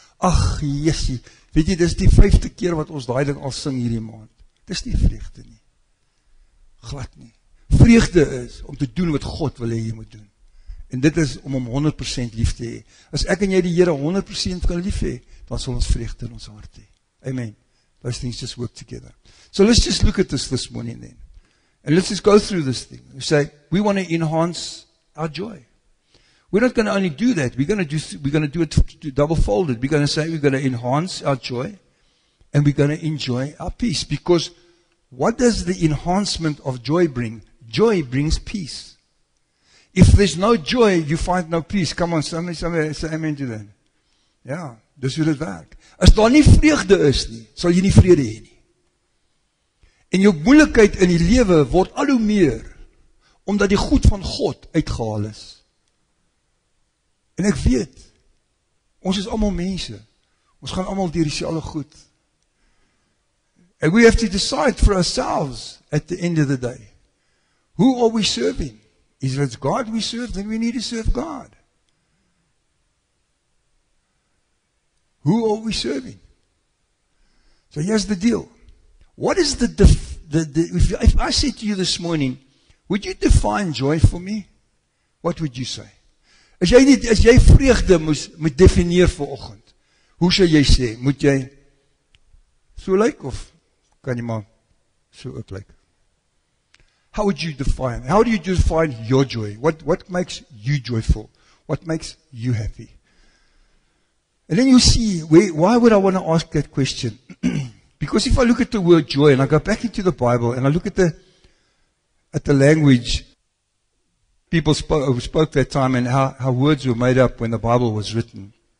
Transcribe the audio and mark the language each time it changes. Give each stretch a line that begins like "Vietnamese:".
Afrikaans: Ach Jesus, weet jy, dis die vyfde keer wat ons daai ding al sing hierdie maand. Dis nie vreugde nie. Glad nie. Vreugde is om te doen wat God wil hê jy moet doen. En dit is om 100% lief te hê. As ek en jy die Here 100% kan lief hê, dan sal ons vreugde in ons hart hê.
English: Amen. Those things just work together. So let's just look at this morning then. And let's just go through this thing. We say, we want to enhance our joy. We're not going to only do that. We're going to do it double-folded. We're going to say we're going to enhance our joy and we're going to enjoy our peace. Because what does the enhancement of joy bring? Joy brings peace. If there's no joy, you find no peace. Come on, somebody say amen to that. Yeah, this will work.
Afrikaans: As daar nie vreugde is nie, sal jy nie vrede hê nie. En jou moeilikheid in die lewe word al hoe meer, omdat die goed van God uitgehaal is. En ek weet, ons is allemaal mense, ons gaan allemaal deur dieselfde goed.
English: And we have to decide for ourselves at the end of the day. Who are we serving? Is it God we serve? Then we need to serve God. Who are we serving? So here's the deal. What is if I said to you this morning, would you define joy for me? What would you say?
Afrikaans: As jy vreugde moet definieer vir oggend, hoe sou jy sê? Moet jy so lyk of kan jy maar so ook lyk?
English: How would you define? How do you define your joy? What makes you joyful? What makes you happy? And then you see, why would I want to ask that question? Because if I look at the word joy, and I go back into the Bible, and I look at the language people spoke that time, and how words were made up when the Bible was written.